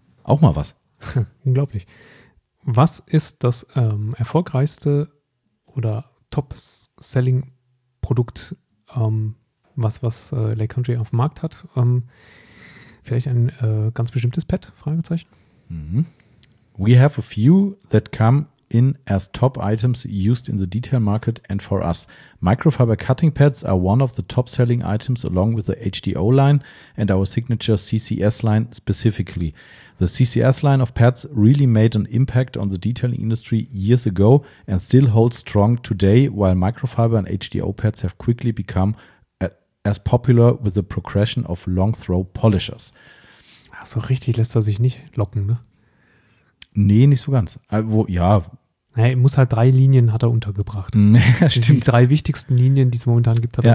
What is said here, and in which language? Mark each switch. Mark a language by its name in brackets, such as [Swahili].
[German] Auch mal was. Unglaublich. Was ist das erfolgreichste oder Top-Selling-Produkt, was Lake Country auf dem Markt hat? Vielleicht ein ganz bestimmtes Pad? Fragezeichen. Mm-hmm. [English] We have a few that come in as top items used in the detail market and for us. Microfiber cutting pads are one of the top-selling items along with the HDO line and our signature CCS line specifically. The CCS line of pads really made an impact on the detailing industry years ago and still holds strong today, while microfiber and HDO pads have quickly become as popular with the progression of long throw polishers. [German] So richtig lässt er sich nicht locken, ne? Nee, nicht so ganz. Wo, ja. Er muss halt drei Linien hat er untergebracht. Stimmt. Die drei wichtigsten Linien, die es momentan gibt, hat er